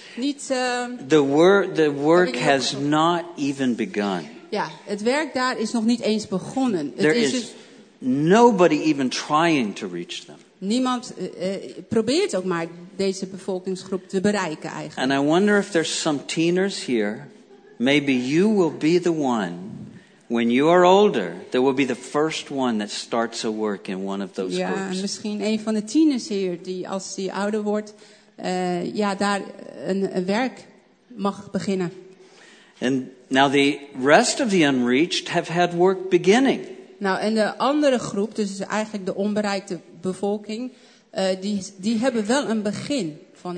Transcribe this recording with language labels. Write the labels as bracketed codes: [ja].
[nl] Niet. [en] The work has not even begun. [nl] Ja, het werk daar is nog niet eens begonnen. [en] There [nl] het is dus [en] nobody even trying to reach them. [nl] Niemand probeert ook maar deze bevolkingsgroep te bereiken eigenlijk. [en] And I wonder if there's some teeners here. Maybe you will be the one. When you are older, there will be the first one that starts a work in one of those groups. [nl] Ja, misschien een van de tieners hier die als die ouder wordt, daar een werk mag beginnen. [en] And now the rest of the unreached have had work beginning. [nl] Nou, en de andere groep, dus eigenlijk de onbereikte bevolking, die hebben wel een begin van